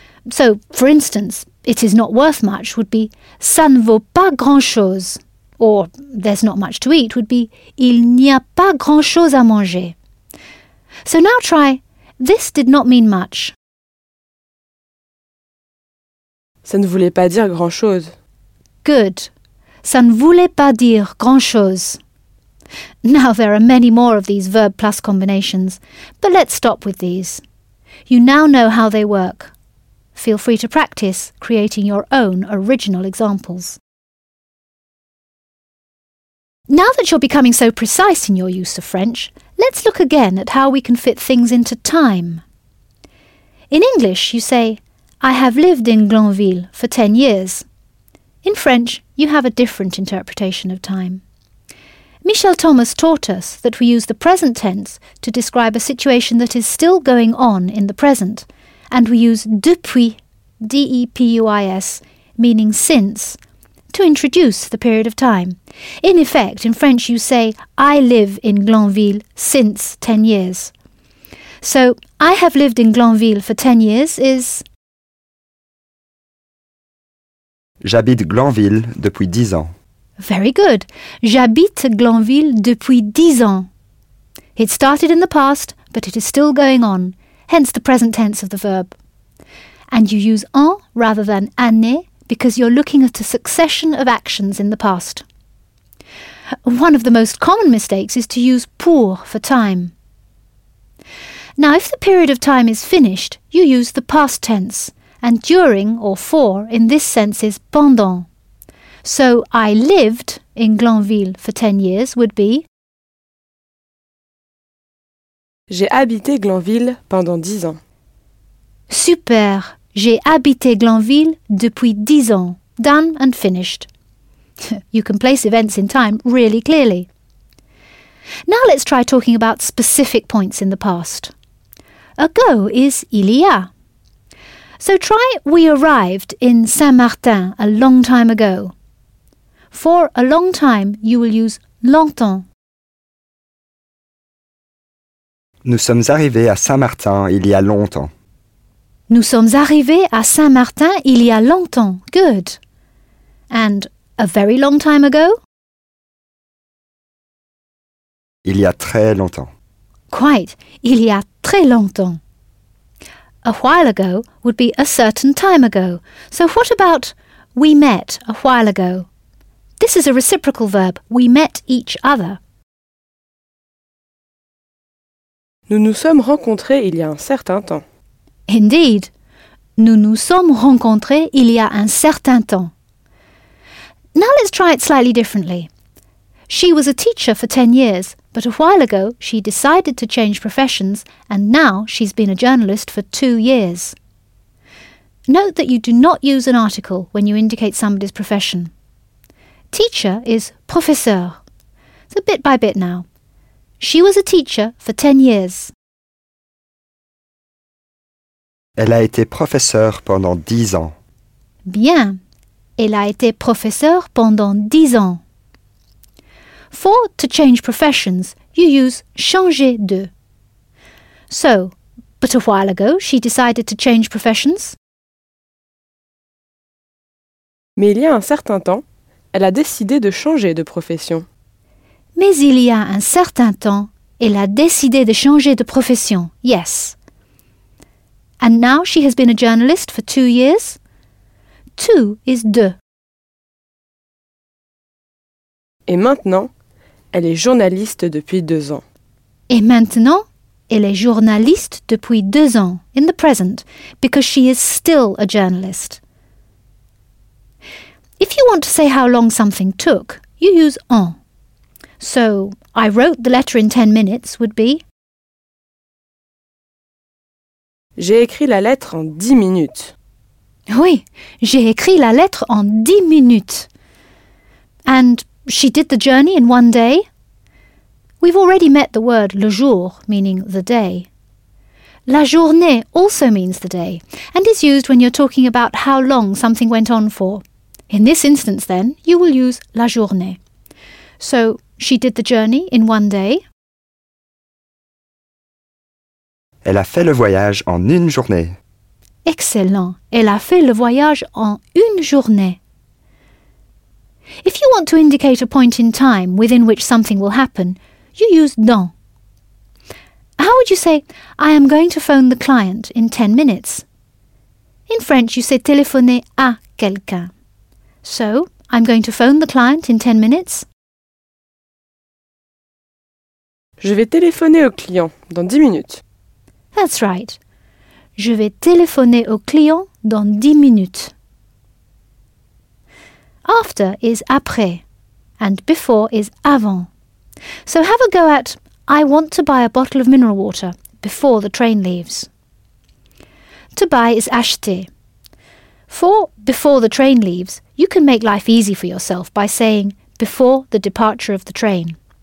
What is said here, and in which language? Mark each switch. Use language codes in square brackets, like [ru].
[en] So, for instance, it is not worth much would be [fr] ça ne vaut pas grand-chose. [en] Or there's not much to eat would be [fr] il n'y a pas grand-chose à manger. [en] So now try this did not mean much. [fr] Ça ne voulait pas dire grand-chose. [en] Good. [fr] Ça ne voulait pas dire grand-chose. [en] Now there are many more of these verb plus combinations, but let's stop with these. You now know how they work. Feel free to practice creating your own original examples. Now that you're becoming so precise in your use of French, let's look again at how we can fit things into time. In English, you say, I have lived in Glanville for 10 years. In French, you have a different interpretation of time. Michel Thomas taught us that we use the present tense to describe a situation that is still going on in the present, and we use depuis, D-E-P-U-I-S, meaning since, to introduce the period of time. In effect, in French you say, I live in Glanville since 10 years. So, I have lived in Glanville for 10 years is... [fr] J'habite Glanville depuis 10 ans. [en] Very good. [fr] J'habite Glanville depuis 10 ans. [en] It started in the past, but it is still going on, hence the present tense of the verb. And you use en rather than année because you're looking at a succession of actions in the past. One of the most common mistakes is to use pour for time. Now, if the period of time is finished, you use the past tense, and during or for in this sense is pendant. So, I lived in Glanville for 10 years would be... [fr] J'ai habité Glanville pendant 10 ans. [en] Super! [fr] J'ai habité Glanville depuis 10 ans. [en] Done and finished. You can place events in time really clearly. Now let's try talking about specific points in the past. Ago is il y a. So try we arrived in Saint-Martin a long time ago. For a long time, you will use longtemps. [fr] Nous sommes arrivés à Saint-Martin il y a longtemps. Nous sommes arrivés à Saint-Martin il y a longtemps. [en] Good. And a very long time ago? [fr] Il y a très longtemps. [en] Quite. [fr] Il y a très longtemps. [en] A while ago would be a certain time ago. So what about we met a while ago? This is a reciprocal verb. We met each other. Nous nous sommes rencontrés il y a un certain temps. Indeed. Nous nous sommes rencontrés il y a un certain temps. Now let's try it slightly differently. She was a teacher for 10 years, but a while ago she decided to change professions and now she's been a journalist for 2 years. Note that you do not use an article when you indicate somebody's profession. Teacher is professeur. So bit by bit now. She was a teacher for 10 years. [fr] Elle a été professeure pendant 10 ans. Bien. Elle a été professeure pendant 10 ans. [en] For to change professions, you use changer de. So, but a while ago, she decided to change professions. [fr] Mais il y a un certain temps, elle a décidé de changer de profession. Mais il y a un certain temps, elle a décidé de changer de profession. [en] Yes. And now she has been a journalist for 2 years. two is deux. [fr] Et maintenant, elle est journaliste depuis 2 ans. Et maintenant, elle est journaliste depuis 2 ans, [en] in the present, because she is still a journalist. If you want to say how long something took, you use en. So, I wrote the letter in 10 minutes would be... [fr] J'ai écrit la lettre en 10 minutes. Oui, j'ai écrit la lettre en 10 minutes. [en] And she did the journey in 1 day? We've already met the word le jour, meaning the day. La journée also means the day, and is used when you're talking about how long something went on for. In this instance, then, you will use la journée. So, she did the journey in 1 day. [fr] Elle a fait le voyage en une journée. [en] Excellent. [fr] Elle a fait le voyage en une journée. [en] If you want to indicate a point in time within which something will happen, you use dans. How would you say, I am going to phone the client in 10 minutes? In French, you say [fr] téléphoner à quelqu'un. [en] So, I'm going to phone the client in 10 minutes. [fr] Je vais téléphoner au client dans 10 minutes. [en] That's right. [fr] Je vais téléphoner au client dans 10 minutes. [en] After is après, and before is avant. So have a go at I want to buy a bottle of mineral water before the train leaves. To buy is acheter. For before the train leaves, you can make life easy for yourself by saying before the departure of the train.